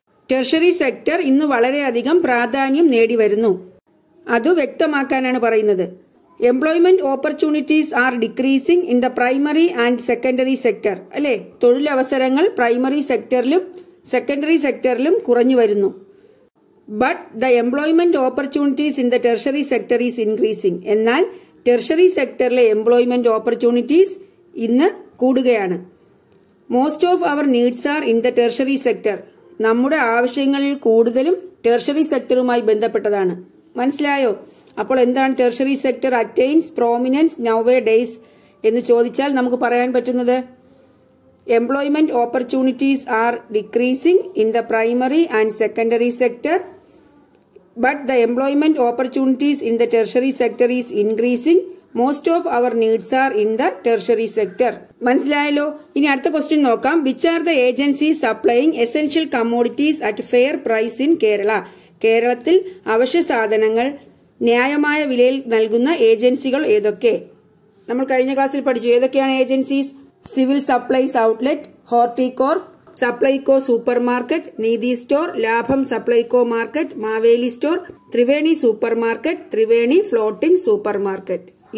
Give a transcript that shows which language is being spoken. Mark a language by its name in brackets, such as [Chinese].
[Malayalam] Tertiary sector ഇന്ന് വളരെയധികം പ്രാധാന്യം നേടി വരുന്നു, അത് വ്യക്തമാക്കാനാണ് പറയുന്നത്. [English] Employment opportunities are decreasing in the primary and secondary sector. [Malayalam] അല്ലെ, തൊഴിലവസരങ്ങൾ പ്രൈമറി സെക്ടറിലും സെക്കൻഡറി സെക്ടറിലും കുറഞ്ഞു വരുന്നു. [English] But the employment opportunities in the tertiary sector is increasing. [Malayalam] എന്നാൽ ടെർഷറി സെക്ടറിലെ എംപ്ലോയ്മെന്റ് ഓപ്പർച്യൂണിറ്റീസ് ഇന്ന് കൂടുകയാണ്. [English] Most of our needs are in the tertiary sector. [Malayalam] നമ്മുടെ ആവശ്യങ്ങളിൽ കൂടുതലും ടെർഷറി സെക്ടറുമായി ബന്ധപ്പെട്ടതാണ്. മനസ്സിലായോ? അപ്പോൾ എന്താണ് [English] tertiary sector attains prominence nowadays [Malayalam] എന്ന് ചോദിച്ചാൽ നമുക്ക് പറയാൻ പറ്റുന്നത്? [English] Employment opportunities are decreasing in the primary and secondary sector, but the employment opportunities in the tertiary sector is increasing. Most of our needs are in the tertiary sector. [Malayalam] മനസ്സിലായല്ലോ. ഇനി അടുത്ത question നോക്കാം. [English] Which are the agencies supplying essential commodities at fair price in Kerala? [Malayalam] കേരളത്തിൽ അവശ്യ സാധനങ്ങൾ ന്യായമായ വിലയിൽ നൽകുന്ന ഏജൻസികൾ ഏതൊക്കെ? നമ്മൾ കഴിഞ്ഞ ക്ലാസ്സിൽ പഠിച്ചു ഏതൊക്കെയാണ് agencies. Civil supplies outlet, Horticorp, Supplyco super market, നീതി സ്റ്റോർ, ലാഭം Supplyco market, Maveli store, Triveni super market, Triveni floating super market.